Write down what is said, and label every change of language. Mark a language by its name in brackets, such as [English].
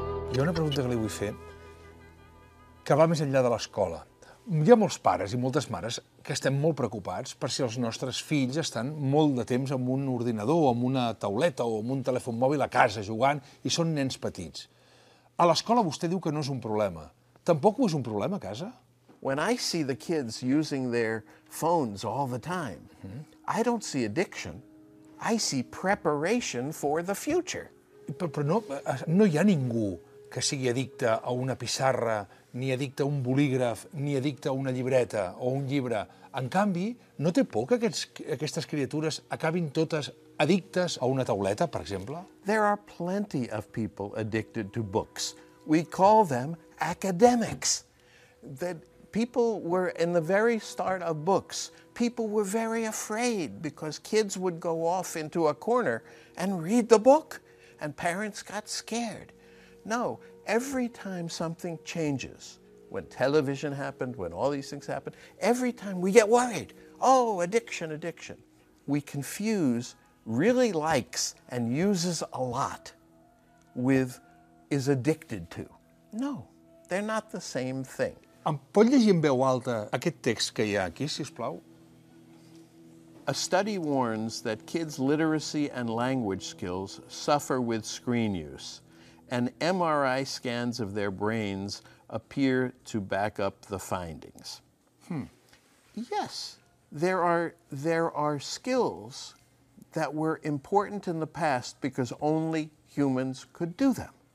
[Catalan] Que va més enllà de l'escola. Hi ha molts pares i moltes mares que estem molt preocupats per si els nostres fills estan molt de temps amb un ordinador o amb una tauleta o amb un telèfon mòbil a casa jugant i són nens petits. A l'escola vostè diu que no és un problema. Tampoc ho és un problema a casa? [English] When I see the kids using their phones all the time, I don't see addiction. I see preparation for the future. [Catalan] Però no hi ha ningú que sigui addicte a una pissarra, ni addicte a un bolígraf, ni addicte a una llibreta o un llibre. En canvi, no té por que aquestes criatures acabin totes addictes a una tauleta, per exemple? [English] There are plenty of people addicted to books. We call them academics. That people were, in the very start of books, people were very afraid because kids would go off into a corner and read the book, and parents got scared. No, every time something changes, when television happened, when all these things happened, every time we get worried, oh, addiction, addiction, we confuse really likes and uses a lot with is addicted to. No, they're not the same thing. [Catalan] Em pot llegir en veu alta aquest text que hi ha aquí, sisplau? [English] A study warns that kids' literacy and language skills suffer with screen use, and MRI scans of their brains appear to back up the findings. Yes, there are skills that were important in the past because only humans could do them.